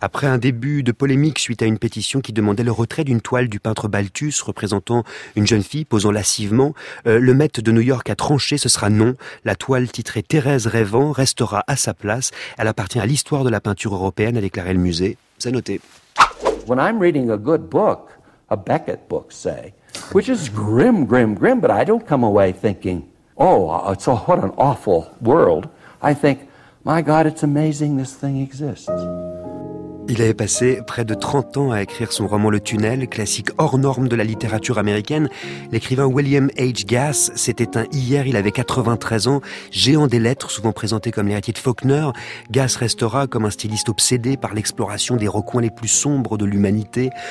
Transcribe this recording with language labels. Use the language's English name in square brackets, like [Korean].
[French] Après un début de polémique suite à une pétition qui demandait le retrait d'une toile du peintre Balthus représentant une jeune fille posant lascivement, le Met de New York a tranché, ce sera non. La toile titrée « Thérèse rêvant » restera à sa place. Elle appartient à l'histoire de la peinture européenne, a déclaré le musée. C'est noté. [English] When I'm reading a good book, a Beckett book say, which is grim, grim, grim, but I don't come away thinking, oh, it's a, what an awful world. I think, my God, it's amazing this thing exists. [French] Il avait passé près de 30 ans à écrire son roman Le Tunnel, classique hors norme de la littérature américaine. L'écrivain William H. Gass s'est éteint hier, il avait 93 ans, géant des lettres, souvent présenté comme l'héritier de Faulkner. Gass restera comme un styliste obsédé par l'exploration des recoins les plus sombres de l'humanité.